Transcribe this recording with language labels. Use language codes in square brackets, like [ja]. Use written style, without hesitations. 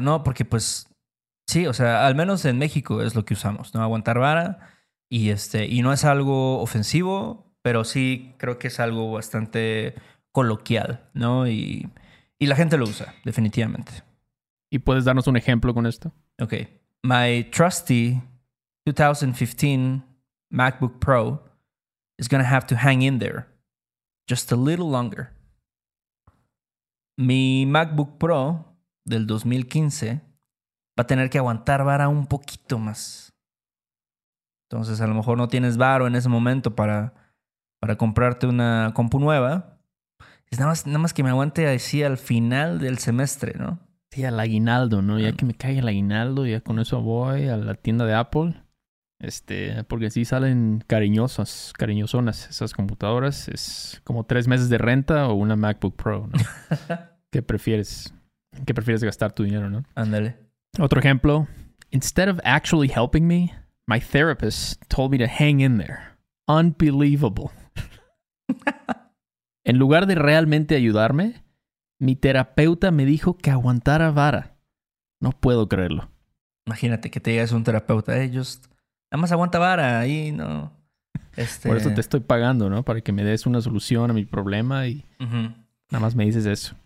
[es] No, porque pues sí, o sea, al menos en México es lo que usamos, ¿no? Aguantar vara. Y no es algo ofensivo, pero sí creo que es algo bastante coloquial, ¿no? Y la gente lo usa, definitivamente. ¿Y puedes darnos un ejemplo con esto? Ok. [en] My trusty 2015 MacBook Pro is gonna have to hang in there just a little longer. [es] Mi MacBook Pro del 2015 va a tener que aguantar vara un poquito más. Entonces, a lo mejor no tienes varo en ese momento para comprarte una compu nueva. Es nada más que me aguante así al final del semestre, ¿no? Sí, al aguinaldo, ¿no? Ya que me caiga el aguinaldo, ya con eso voy a la tienda de Apple. Porque sí salen cariñosonas esas computadoras. Es como 3 meses de renta o una MacBook Pro, ¿no? ¿Qué prefieres? ¿Qué prefieres gastar tu dinero, no? Ándale. Otro ejemplo. [en] Instead of actually helping me, my therapist told me to hang in there. Unbelievable. [es] En lugar de realmente ayudarme, mi terapeuta me dijo que aguantara vara. No puedo creerlo. Imagínate que te digas un terapeuta. Nada más aguanta vara ahí, ¿no? Por eso te estoy pagando, ¿no? Para que me des una solución a mi problema y nada más me dices eso.